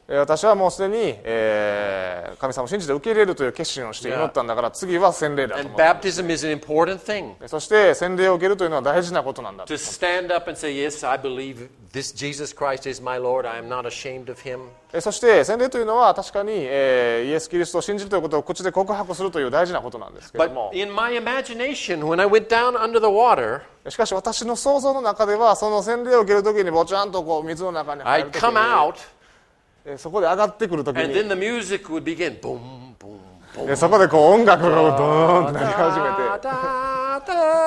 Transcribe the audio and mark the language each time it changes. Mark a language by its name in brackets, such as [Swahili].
[Japanese] 私はもうすでに、神様を信じて受け入れるという決心をして祈ったんだから次は洗礼だと思うんですね。そして洗礼を受けるというのは大事なことなんだと思うんです。そして洗礼というのは確かに、イエス・キリストを信じるということを口で告白するという大事なことなんですけども。 [English] But in my imagination, when I went down under the water, [Japanese] しかし私の想像の中ではその洗礼を受けるときにぼちゃんとこう水の中に入るときにそこで上がってくるときに、 [English] And then the music would begin, boom, boom, boom. [Japanese] そこでこう音楽がドーンと鳴り始めて、